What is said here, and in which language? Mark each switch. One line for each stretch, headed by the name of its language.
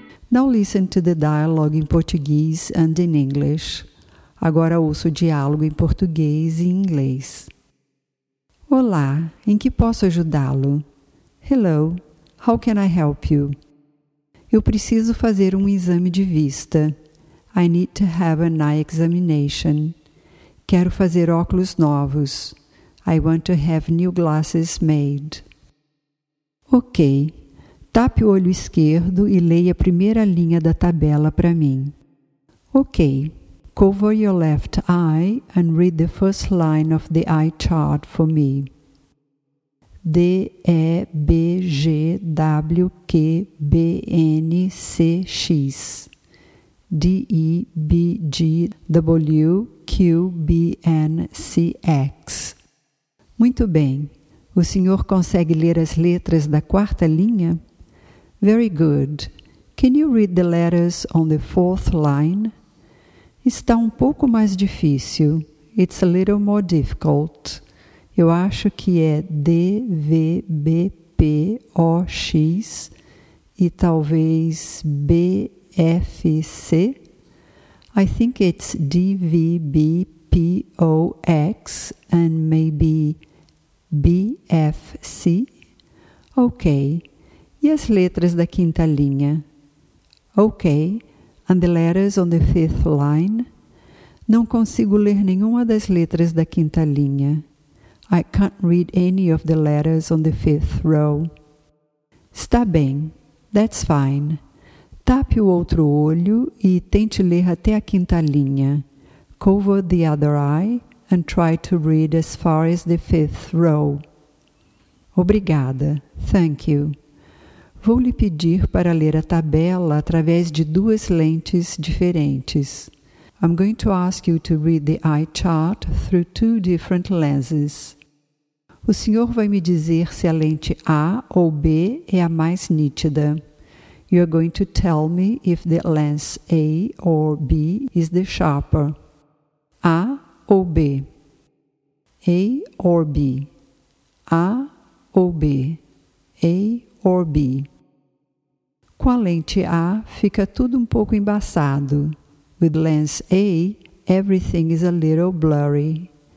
English: Now listen to the dialogue in Portuguese and in English.
Portuguese: Agora ouça o diálogo em português e inglês. Olá, em que posso ajudá-lo?
English: Hello, how can I help you?
Portuguese: Eu preciso fazer um exame de vista.
English: I need to have an eye examination.
Portuguese: Quero fazer óculos novos.
English: I want to have new glasses made. Ok.
Portuguese: Tape o olho esquerdo e leia a primeira linha da tabela para mim. Ok.
English: Cover your left eye and read the first line of the eye chart for me. D, E, B, G, W, Q, B, N, C, X.
Portuguese: D, E, B, G, W, Q, B, N, C, X. Muito bem. O senhor consegue ler as letras da quarta linha?
English: Very good. Can you read the letters on the fourth line?
Portuguese: Está um pouco mais difícil.
English: It's a little more difficult.
Portuguese: Eu acho que é D, V, B, P, O, X e talvez B, F, C.
English: I think it's D, V, B, P, O, X and maybe B, F, C.
Portuguese: Ok. E as letras da quinta linha?
English: Ok. And the letters on the fifth line?
Portuguese: Não consigo ler nenhuma das letras da quinta linha.
English: I can't read any of the letters on the fifth row.
Portuguese: Está bem.
English: That's fine.
Portuguese: Tape o outro olho e tente ler até a quinta linha.
English: Cover the other eye and try to read as far as the fifth row.
Portuguese: Obrigada.
English: Thank you.
Portuguese: Vou lhe pedir para ler a tabela através de duas lentes diferentes.
English: I'm going to ask you to read the eye chart through two different lenses.
Portuguese: O senhor vai me dizer se a lente A ou B é a mais nítida.
English: You're going to tell me if the lens A or B is the sharper.
Portuguese: A ou B?
English: A or B?
Portuguese: A ou B?
English: A or B?
Portuguese: Com a lente A, fica tudo um pouco embaçado.
English: With lens A, everything is a little blurry.